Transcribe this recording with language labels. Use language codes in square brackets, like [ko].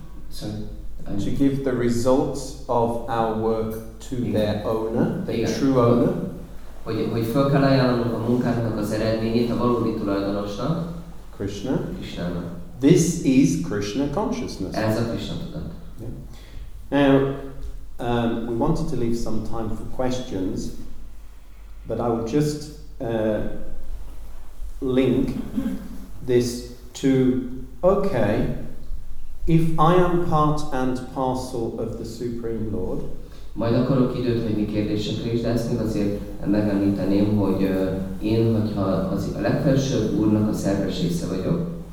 [en] to give the results of our work to their owner, the true owner. [hu] Hogy föl kell ajánlanunk a munkának az eredményét a valódi tulajdonosnak, [en] Krishna. This is Krishna consciousness. [hu] Ez a Krishna tudat. [en] Now, we wanted to leave some time for questions, but I will just link this to, okay, if I am part and parcel of the Supreme Lord. [hu] Majd akarok időt venni kérdésekre is, de ezt még azért megemlíteném, hogy én, hogyha az a legfelsőbb úrnak a szerves része vagyok.